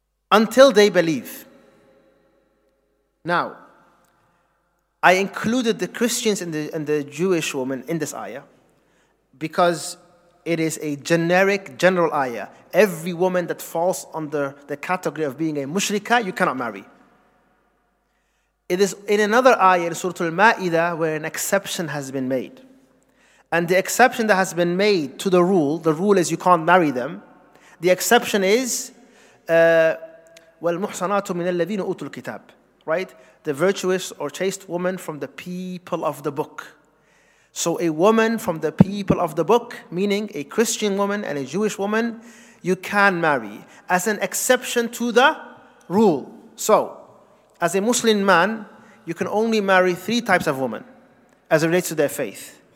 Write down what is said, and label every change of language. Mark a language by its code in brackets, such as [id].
[en] Until they believe. Now, I included the Christians and the Jewish woman in this ayah because it is a generic, general ayah. Every woman that falls under the category of being a mushrika, you cannot marry. It is in another ayah, in Surah Al-Ma'idah, where an exception has been made. And the exception that has been made to the rule is you can't marry them. The exception is, [ar] وَالْمُحْصَنَاتُ مِنَ الَّذِينَ أُوتُوا الْكِتَابِ. [en] Right? The virtuous or chaste woman from the people of the book. So a woman from the people of the book, meaning a Christian woman and a Jewish woman, you can marry as an exception to the rule. So, as a Muslim man, you can only marry three types of women as it relates to their faith.